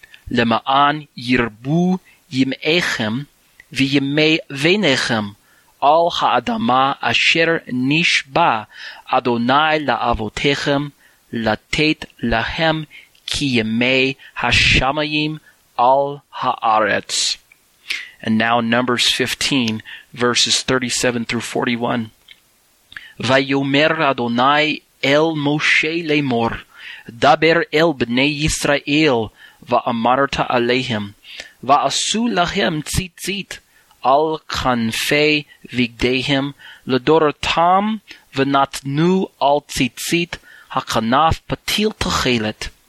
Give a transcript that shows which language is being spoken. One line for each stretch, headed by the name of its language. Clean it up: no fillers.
Hebrew: למען ירבו ימיכם, וימי ביניכם, על האדמה אשר נשבע אדוני לאבותיכם, לתת להם כימי השמיים על הארץ.
English: And now Numbers 15, verses 37 through 41.
Hebrew: ויאמר אדוני אל משה לאמור, דבר אל בני ישראל, ואמרת עליהם, ועשו להם ציצית על כנפי בגדיהם לדורתם, ונתנו על ציצית הכנף פתיל תכלת.